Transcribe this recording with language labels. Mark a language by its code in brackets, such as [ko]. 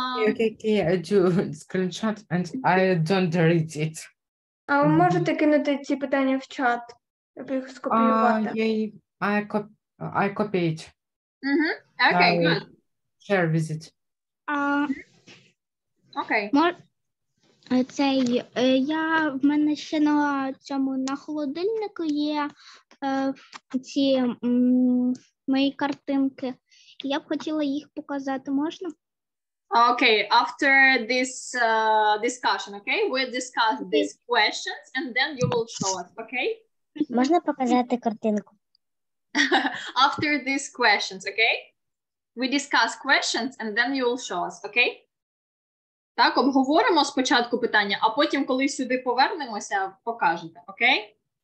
[en] Okay, I do screenshot and I don't read it. [uk] А ви можете кинути ці питання в чат, аби їх скопіювати? [en] I copy it. Okay, good. Share with it. [uk] Окей. Я в мене ще на цьому на холодильнику є ці мої картинки. Я б хотіла їх показати, можна? [en] Окей, after this discussion, okay? We discuss these questions and then you will show us, okay? [uk] Можна показати картинку? [en] After these questions, okay? We discuss questions and then you will show us, okay? [uk] Так, обговоримо спочатку питання, а потім, коли сюди повернемося, покажете, окей?